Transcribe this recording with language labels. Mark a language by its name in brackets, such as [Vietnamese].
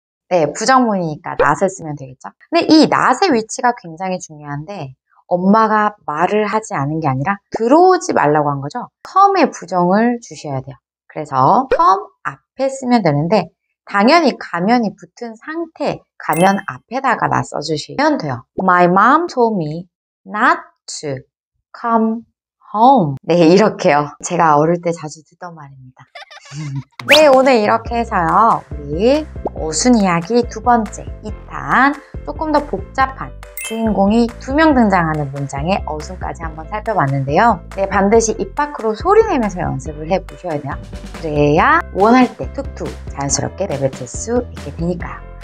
[Korean] 네, 부정문이니까 not을 쓰면 되겠죠? 근데 이 not의 위치가 굉장히 중요한데 엄마가 말을 하지 않은 게 아니라 들어오지 말라고 한 거죠? come의 부정을 주셔야 돼요. 그래서 come 앞에 쓰면 되는데 당연히 가면이 붙은 상태 가면 앞에다가 not 써주시면 돼요. [English] My mom told me not to come home. [Korean] 네, 이렇게요. 제가 어릴 때 자주 듣던 말입니다. 네, 오늘 이렇게 해서요. 우리 어순 이야기 두 번째, 2탄 조금 더 복잡한 주인공이 두 명 등장하는 문장의 어순까지 한번 살펴봤는데요. 네, 반드시 입 밖으로 소리 내면서 연습을 해보셔야 돼요. 그래야 원할 때 툭툭 자연스럽게 내뱉을 수 있게 되니까요.